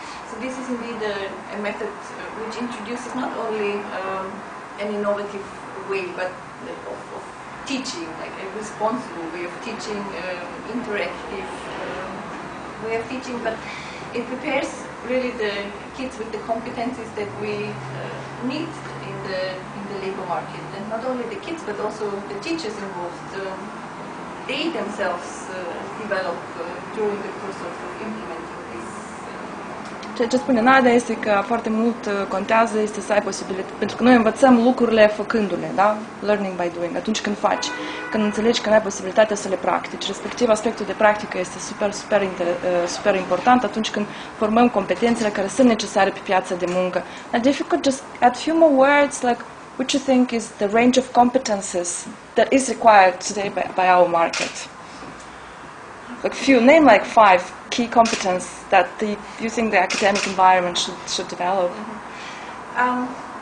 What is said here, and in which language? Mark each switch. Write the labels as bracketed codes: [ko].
[en] So this is indeed a method which introduces not only an innovative way, but of teaching, like a responsible way of teaching, interactive way of teaching, but it prepares really the kids with the competencies that we need in the labor market. And not only the kids, but also the teachers involved. They themselves develop during the course of implementing. [ro] Ceea ce spune Nadia este că foarte mult contează este să ai posibilitate, pentru că noi învățăm lucrurile făcându-le, da? [en] Learning by doing, [ro] atunci când faci, când înțelegi că nu ai posibilitatea să le practici. Respectiv, aspectul de practică este super, super, super important atunci când formăm competențele care sunt necesare pe piața de muncă. [en] And if you could just add a few more words, like, what you think is the range of competences that is required today by our market? Like few, name like five key competences that you think the academic environment should develop. Mm-hmm.